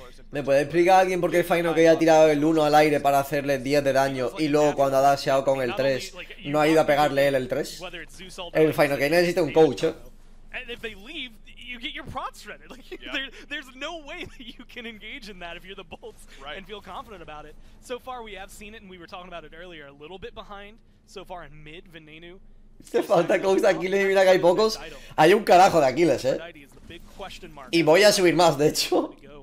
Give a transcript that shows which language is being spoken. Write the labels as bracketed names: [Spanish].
[Spanish] ¿Me puede explicar alguien por qué Fine OK ha tirado el 1 al aire para hacerle 10 de daño y luego cuando ha dasheado con el 3 no ha ido a pegarle él el 3? El Fine OK necesita un coach, ¿eh? [English] You get your prot shredded. Like, there's no way that you can engage in that if you're the Bolts and feel confident about it. So far we have seen it and we were talking about it earlier, a little bit behind so far in mid Venenu. [Spanish] Te falta Cox de Aquiles y mira que hay pocos. Hay un carajo de Aquiles, eh. Y voy a subir más, de hecho.